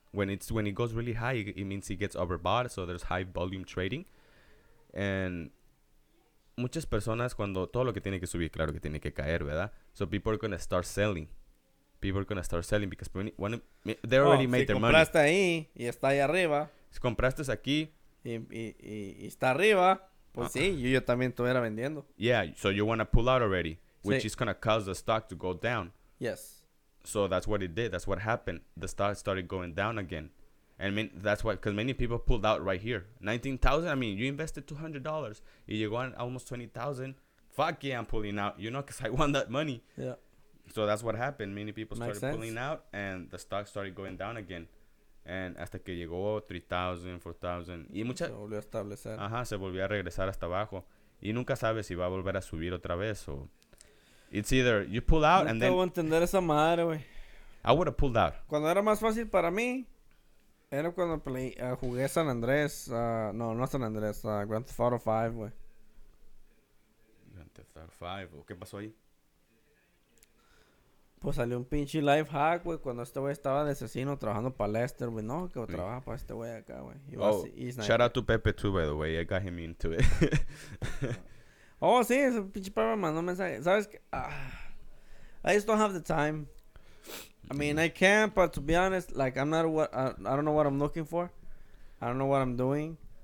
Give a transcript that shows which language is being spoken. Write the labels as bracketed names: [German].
[English] When it goes really high, it means it gets overbought, so there's high volume trading. [Spanish] And muchas personas, cuando todo lo que tiene que subir, claro que tiene que caer, ¿verdad? [English] So people are gonna start selling. People are gonna start selling because they already made their money. [Spanish] Si compraste ahí y está ahí arriba. Si compraste aquí. Y está arriba, pues sí, yo también estuviera vendiendo. [English] Yeah, so you wanna pull out already, which is gonna cause the stock to go down. Yes. So that's what it did. That's what happened. The stock started going down again. And that's why, because many people pulled out right here. 19,000, I mean, you invested $200. [Spanish] Y llegó a [English] almost 20,000. Fuck yeah, I'm pulling out. You know, because I won that money. Yeah. So that's what happened. Many people started pulling out and the stock started going down again. [Spanish] And hasta que llegó 3,000, 4,000. Y mucha... Se volvió a establecer. Ajá, se volvió a regresar hasta abajo. Y nunca sabe si va a volver a subir otra vez o... [English] It's either you pull out no and then... [Spanish] No te voy a entender esa madre, güey. [English] I would have pulled out. [Spanish] Cuando era más fácil para mí, era cuando jugué San Andrés. No San Andrés. Grand Theft Auto 5, güey. Grand Theft Auto 5. ¿Qué pasó ahí? Pues salió un pinche life hack, güey. Cuando este güey estaba de asesino trabajando para Lester, güey. No, que trabaja para este güey acá, güey. [English] Shout out to Pepe, too, by the way. I got him into it. [Spanish] Oh, sí, ese pinche papá mandó mensaje. ¿Sabes qué? [English] I just don't have the time. I mean, I can, but to be honest, like, I'm not what... I don't know what I'm looking for. I don't know what I'm doing.